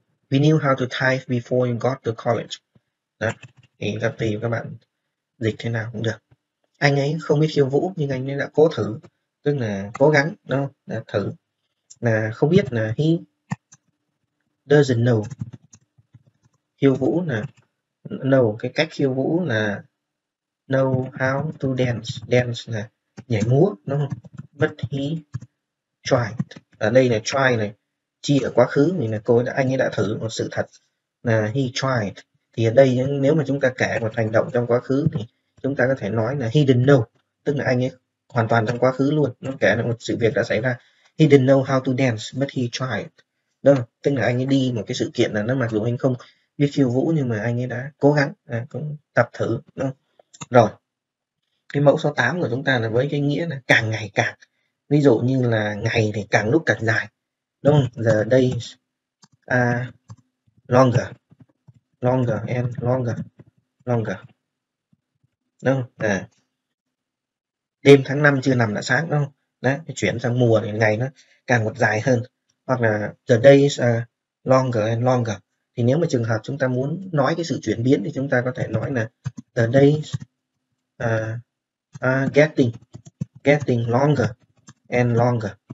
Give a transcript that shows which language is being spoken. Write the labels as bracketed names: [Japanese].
[English] We knew how to type before you got to college. [Vietnamese] Đó, thì các tùy các bạn dịch thế nào cũng được. Anh ấy không biết khiêu vũ nhưng anh ấy đã cố thử tức là cố gắng đó, là thử, là không biết là [English] he doesn't know, [Vietnamese] khiêu vũ là know, cái cách khiêu vũ là [English] know how to dance, [Vietnamese] dance là nhảy múa đúng không, [English] but he tried, [Vietnamese] ở đây là try này chỉ ở quá khứ, mình là cô đã, anh ấy đã thử, một sự thật là [English] he tried. [Vietnamese] Thì ở đây nếu mà chúng ta kể một hành động trong quá khứ thì chúng ta có thể nói là [English] he didn't know, [Vietnamese] tức là anh ấy hoàn toàn trong quá khứ luôn, nó kể là một sự việc đã xảy ra. [English] He didn't know how to dance, but he tried. [Vietnamese] Đúng không? Tức là anh ấy đi một cái sự kiện là nó mặc dù anh không biết khiêu vũ nhưng mà anh ấy đã cố gắng, à, cũng tập thử. Đúng không? Rồi, cái mẫu số 8 của chúng ta là với cái nghĩa là càng ngày càng. Ví dụ như là ngày thì càng lúc càng dài. Đúng không? [English] The days are longer, longer and longer, longer. [Vietnamese] Đúng không? À. Đêm tháng năm chưa nằm đã sáng đúng không? Đấy, chuyển sang mùa thì ngày nó càng một dài hơn, hoặc là [English] the days are longer and longer. [Vietnamese] Thì nếu mà trường hợp chúng ta muốn nói cái sự chuyển biến thì chúng ta có thể nói là [English] the days are getting longer and longer.